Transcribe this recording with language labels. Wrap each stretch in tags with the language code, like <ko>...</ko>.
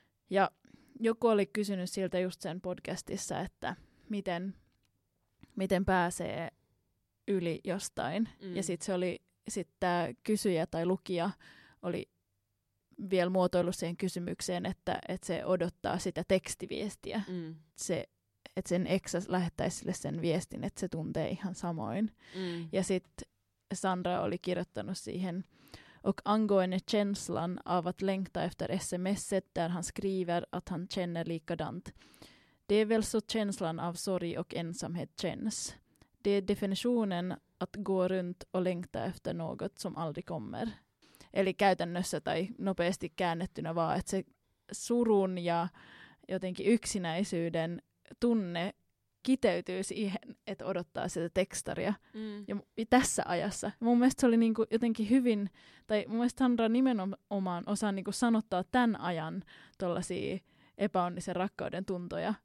<fi>Ja joku oli kysynyt siltä just sen podcastissa, että miten pääsee yli jostain. Mm. Ja sitten se oli, sit tää kysyjä tai lukija oli vielä muotoillut siihen kysymykseen, että se odottaa sitä tekstiviestiä. Mm. Se, että sen eksä lähettäisi sille sen viestin, että se tuntee ihan samoin. Mm. Ja sitten Sandra oli kirjoittanut siihen,</fi> <sv>och angående känslan av att längta efter sms:et där han skriver att han känner likadant. Det är väl så känslan av sorg och ensamhet känns. Det är definitionen att gå runt och längta efter något som aldrig kommer.</sv> <fi>Eli käytännössä tai nopeasti käännettynä vaan, että se surun ja jotenkin yksinäisyyden tunne kiteytyy siihen, että odottaa sitä tekstaria ja tässä ajassa. Mun mielestä se oli niinku jotenkin hyvin, tai mun mielestä Sandra nimenomaan osaa niinku sanottaa tämän ajan tollaisia epäonnisen rakkauden tuntoja.</fi>